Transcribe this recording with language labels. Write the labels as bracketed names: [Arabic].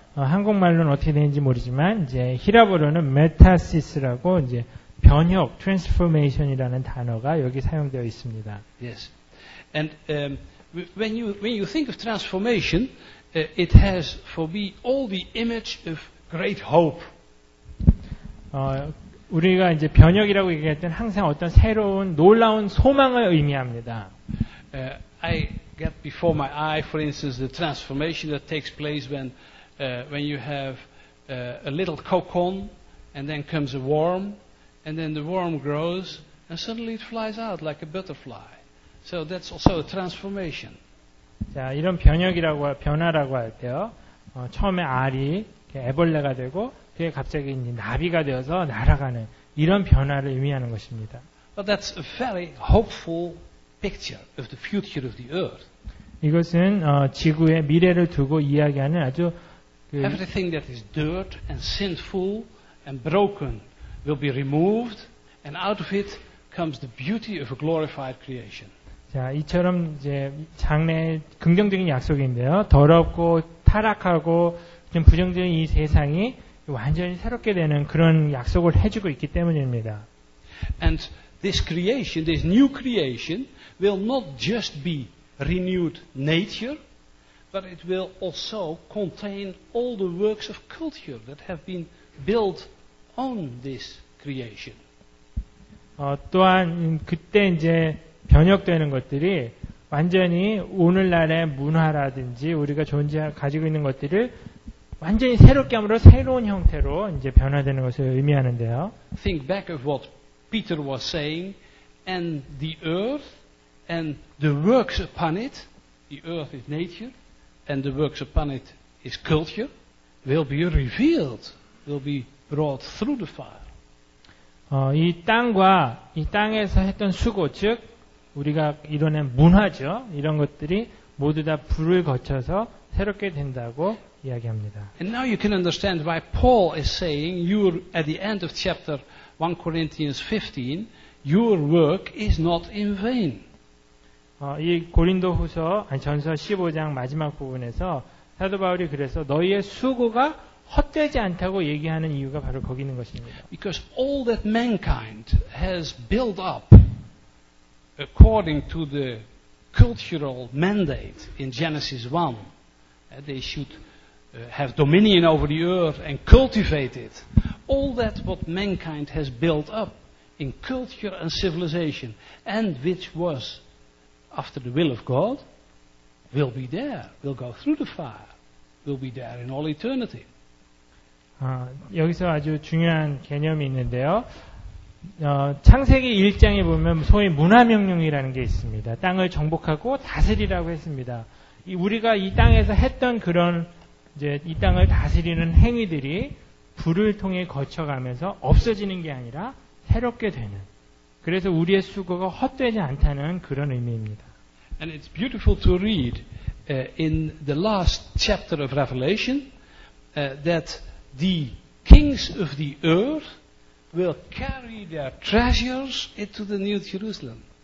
[Korean] 한국말로는 어떻게 되는지 모르지만 이제 히라보로는 metathesis라고 이제 변혁, transformation이라는 단어가 여기 사용되어 있습니다. [English] Yes. And when you think of transformation, it has for me all the image of great hope. [Korean] 우리가 이제 변혁이라고 얘기할 때는 항상 어떤 새로운 놀라운 소망을 의미합니다. [English] I get before my eye, for instance, the transformation that takes place when when you have a little cocoon and then comes a worm and then the worm grows and suddenly it flies out like a butterfly. So that's also a transformation. [Korean] 자, 이런 변혁이라고 변화라고 할 때요. 처음에 알이 애벌레가 되고 그게 갑자기 이제 나비가 되어서 날아가는 이런 변화를 의미하는 것입니다. [English] But that's a very hopeful picture of the future of the earth. [Korean] 이것은 지구의 미래를 두고 이야기하는 아주 [English] 그 Everything that is dirt and sinful and broken will be removed and out of it comes the beauty of a glorified creation. [Korean] 자, 이처럼 이제 장래의 긍정적인 약속인데요. 더럽고 타락하고 좀 부정적인 이 세상이 완전히 새롭게 되는 그런 약속을 해 주고 있기 때문입니다. [English] And this creation, this new creation will not just be renewed nature, but it will also contain all the works of culture that have been built on this creation. [Korean] 또한 그때 이제 변혁되는 것들이 완전히 오늘날의 문화라든지 우리가 가지고 있는 것들을 완전히 새롭게 함으로 새로운 형태로 이제 변화되는 것을 의미하는데요. [English] Think back of what Peter was saying and the earth and the works upon it, the earth is nature and the works upon it is culture, will be revealed, will be brought through the fire. [Korean] 이 땅과 이 땅에서 했던 수고, 즉 우리가 이뤄낸 문화죠. 이런 것들이 모두 다 불을 거쳐서 새롭게 된다고 이야기합니다. [English] And now you can understand why Paul is saying you're at the end of chapter 1 Corinthians 15 your work is not in vain. [Korean] 이 고린도후서 아니 전서 15장 마지막 부분에서 사도 바울이 그래서 너희의 수고가 헛되지 않다고 얘기하는 이유가 바로 거기 있는 것입니다. [English] Because all that mankind has built up according to the cultural mandate in Genesis 1 they should have dominion over the earth and cultivate it. All that what mankind has built up in culture and civilization and which was after the will of God will be there, will go through the fire, will be there in all eternity. [Korean] 여기서 아주 중요한 개념이 있는데요. 창세기 1장에 보면 소위 문화명령이라는 게 있습니다. 땅을 정복하고 다스리라고 했습니다. 우리가 이 땅에서 했던 그런 이제 이 땅을 다스리는 행위들이 불을 통해 거쳐가면서 없어지는 게 아니라 새롭게 되는 그래서 우리의 수고가 헛되지 않다는 그런 의미입니다. [English] And it's beautiful to read in the last chapter of Revelation that the kings of the earth will carry their treasures into the new Jerusalem.